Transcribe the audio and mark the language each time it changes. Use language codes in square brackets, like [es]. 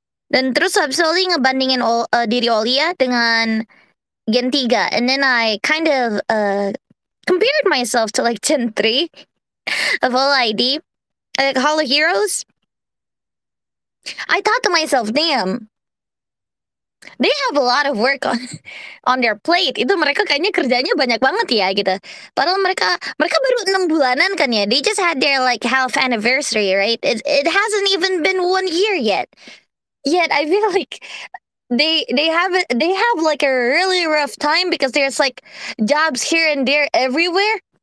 [id] Dan terus habis Oli ngebandingin diri Oli ya dengan Gen 3. [en] And then I kind of compared myself to like Gen 3 of all ID. Like Hall of Heroes. I thought to myself, damn. They have a lot of work on their plate. [id] Itu mereka kayaknya kerjanya banyak banget ya gitu. Padahal mereka baru 6 bulanan kan ya. [en] They just had their like half anniversary, right? It hasn't even been 1 year yet. Yet I feel like they have like a really rough time because there's like jobs here and there everywhere.